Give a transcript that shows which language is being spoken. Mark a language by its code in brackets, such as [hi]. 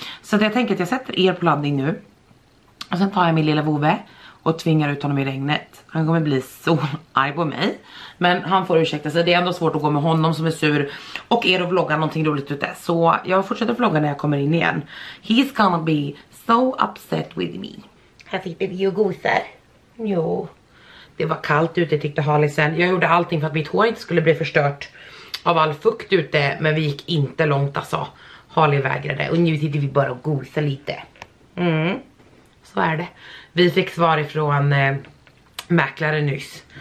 [sv] Så jag tänker att jag sätter er på laddning nu. Och sen tar jag min lilla vovve och tvingar ut honom i regnet. Han kommer bli så arg på mig. Men han får ursäkta sig. Det är ändå svårt att gå med honom som är sur. Och er och vlogga någonting roligt ute. Så jag fortsätter vlogga när jag kommer in igen. [en] He's gonna be so upset with me. [sv] Här fick vi ju gosar. Jo. Det var kallt ute tyckte Halisen. Jag gjorde allting för att mitt hår inte skulle bli förstört. Av all fukt ute. Men vi gick inte långt alltså. Harley vägrade. Och nu sitter vi bara och gosar lite. Mm. Så är det. Vi fick svar ifrån mäklare nyss.